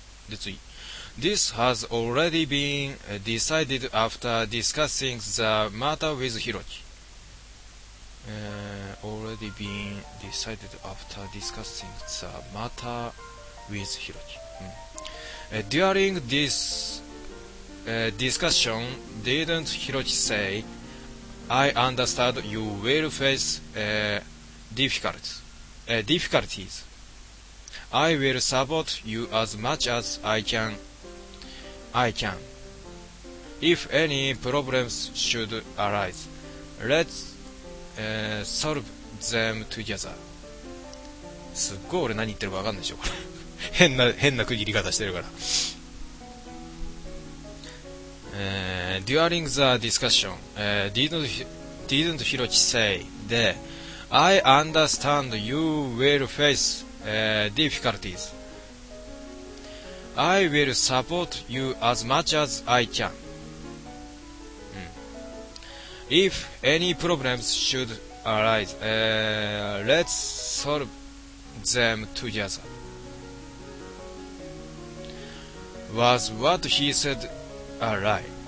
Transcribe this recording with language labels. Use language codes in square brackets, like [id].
[en] で次、This has already been decided after discussing the matter with Hiroki、already been decided after discussing the matter with Hiroki、during this、discussion, didn't Hiroki say, I understand you will face、difficulties. I will support you as much as I can. If any problems should arise, let's、solve them together. [ja] すっごい俺何言ってるか分かんないでしょ、これ。変な区切り方してるから。 [en] during the discussion,、didn't Hiroki say, で、I understand you will face、difficulties. I will support you as much as I can、If any problems should arise、Let's solve them together Was what he said a lie、